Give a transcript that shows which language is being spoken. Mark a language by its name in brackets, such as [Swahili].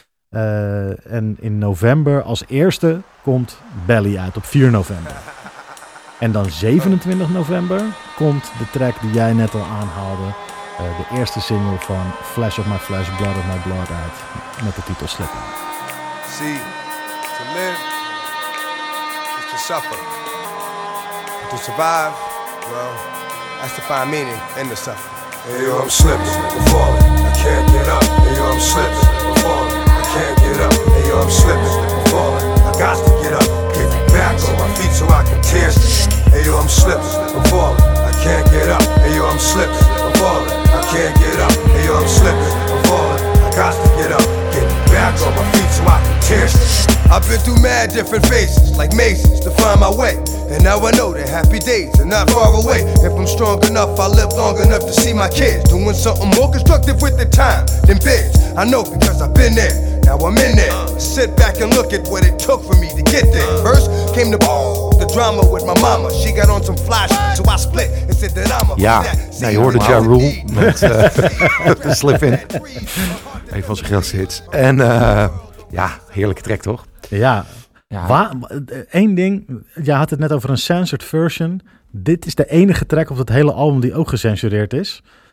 [Dutch] En in november als eerste komt Belly uit, op 4 november. En dan 27 november komt de track die jij net al aanhaalde, de eerste single van Flesh of My Flesh, Blood of My Blood uit, met de titel Slipping. [English] See, to live is to suffer. But to survive, well, that's to find meaning in the suffering. Hey yo, I'm slipping, I'm falling, I can't get up. Hey yo, I'm slipping, I'm falling, I can't get up. Hey yo, I'm slipping, I'm falling, I got to get up. Get back on my feet so I can tear. Hey yo, I'm slipping, I'm falling, I can't get up. Hey yo, I'm slipping, I'm falling, I can't get up. Hey yo, I'm slipping, I'm falling, I got to get up. Get back on my feet so I can tear. I've been through mad different phases, like mazes, to find my way. And now I know that happy days are not far away. If I'm strong enough, I'll live long enough to see my kids doing something more constructive with the time than bids. I know because I've been there, now I'm in there. Sit back and look at what it took for me to get there. First came the drama with my mama. She got on some flash, so I split and said that I'm a... [Dutch] Ja, nou, je hoorde Ja Rule met Slipping. Een van zijn grootste hits. En ja, heerlijke track toch? Ja. Eén ding, jij had het net over een censored version. Dit is de enige track op dat hele album die ook gecensureerd is.